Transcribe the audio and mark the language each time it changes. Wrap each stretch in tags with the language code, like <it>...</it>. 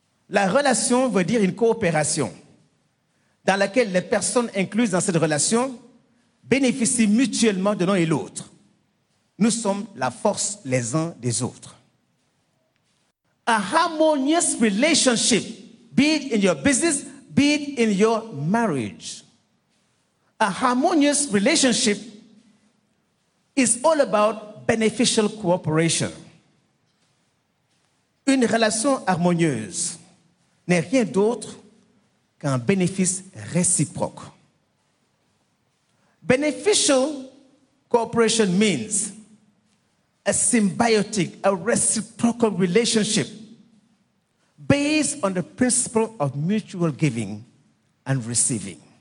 <fr>La relation veut dire une coopération dans laquelle les personnes incluses dans cette relation bénéficient mutuellement de l'un et l'autre. Nous sommes la force les uns des autres.</fr> <en>A harmonious relationship, be it in your business, be it in your marriage. A harmonious relationship is all about beneficial cooperation.</en> <fr>Une relation harmonieuse n'est rien d'autre qu'un bénéfice réciproque.</fr> <en>Beneficial cooperation means a symbiotic, a reciprocal relationship based on the principle of mutual giving and receiving.</en>